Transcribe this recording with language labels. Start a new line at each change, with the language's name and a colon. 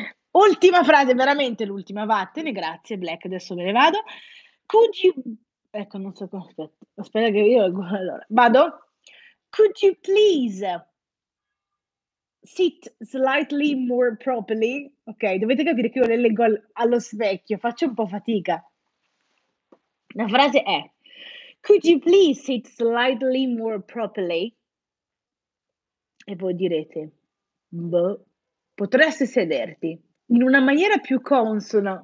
Italian: Ultima frase, veramente l'ultima, vattene, grazie Black, adesso me ne vado.
English: Could you...
Italian: Ecco, non so come, aspetta che io... Allora, vado.
English: Could you please... Sit slightly more properly.
Italian: Ok, dovete capire che io le leggo allo specchio, faccio un po' fatica. La frase è:
English: Could you please sit slightly more properly?
Italian: E voi direte: Boh, potresti sederti in una maniera più consona.